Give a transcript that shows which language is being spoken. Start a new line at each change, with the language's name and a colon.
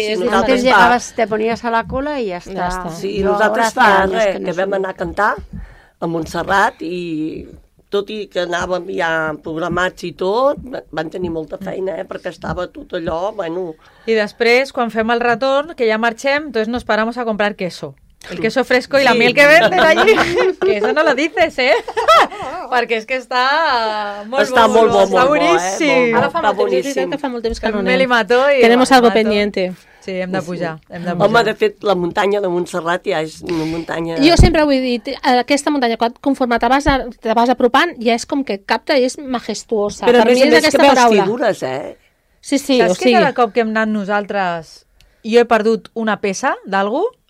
Catalan: Nosaltres llegaves, te ponies a la cola i ja està. Sí, nosaltres fa res, que vam anar a cantar a Montserrat i... Tot i que anàvem ja programats i tot, van tenir molta feina, perquè estava tot allò, bueno... I després, quan fem el retorn, que ja marxem,
Spanish: entonces nos paramos a comprar queso. El queso fresco sí. Y la miel que venden allí. Que eso no lo dices, ¿eh?
Catalan: Perquè és que està molt està bo, molt bo, està molt boníssim. Bo, ara fa molt boníssim. Temps, que fa molt temps que no anem. Meli Mató i...
Spanish: Tenemos algo pendiente.
Catalan: Sí, hem de pujar. Hem de home, de fet, la muntanya de Montserrat ja és una muntanya... Jo sempre ho he dit, aquesta muntanya, conforme te vas apropant, ja és com que capta i és majestuosa. Però per a més és que veus figures, eh? Sí, sí. Saps o que sigui... cada cop que hem anat nosaltres jo he perdut una peça d'algú?